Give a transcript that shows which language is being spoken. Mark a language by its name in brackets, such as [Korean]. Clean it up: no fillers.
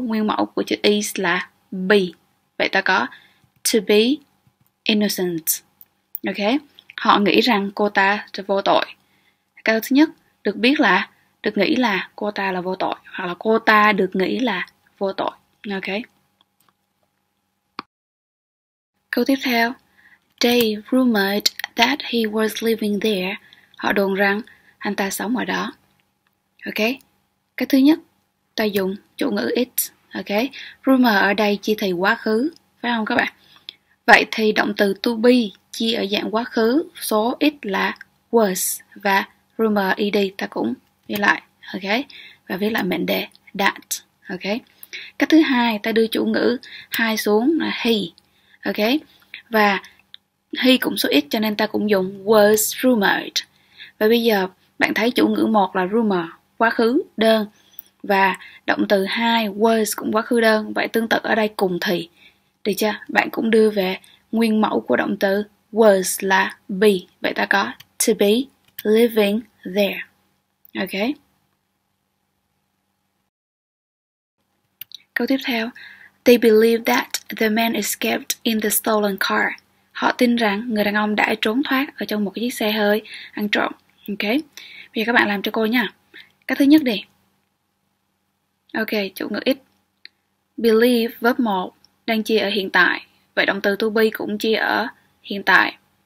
[Vietnamese] Nguyên mẫu của chữ is là be. Vậy ta có to be innocent. Ok. Họ nghĩ rằng cô ta là vô tội. Câu thứ nhất, được biết là, được nghĩ là cô ta là vô tội. Hoặc là cô ta được nghĩ là vô tội. Ok. Câu tiếp theo. [English] They rumored that he was living there. [Vietnamese] Họ đồn rằng anh ta sống ở đó. Ok, cái thứ nhất, ta dùng chủ ngữ it. Ok, rumor ở đây chỉ thị quá khứ, phải không các bạn? Vậy thì động từ to be chi ở dạng quá khứ, số it là was và rumor ed ta cũng viết lại. Ok, và viết lại mệnh đề that. Ok, cách thứ hai, ta đưa chủ ngữ hai xuống là he. Ok, và he cũng số it cho nên ta cũng dùng was rumored. Và bây giờ bạn thấy chủ ngữ một là rumor, quá khứ đơn, và động từ hai was cũng quá khứ đơn. Vậy tương tự ở đây cùng thì, được chưa? Bạn cũng đưa về nguyên mẫu của động từ was là be. Vậy ta có to be living there. Ok. Câu tiếp theo. [English] They believe that the man escaped in the stolen car. [Vietnamese] Họ tin rằng người đàn ông đã trốn thoát ở trong một cái chiếc xe hơi ăn trộm. Ok. Bây giờ các bạn làm cho cô nha. Cái thứ nhất đi. Ok, chủ ngữ it. Believe, verb 1, đang chia ở hiện tại. Vậy động từ to be cũng chia ở hiện tại.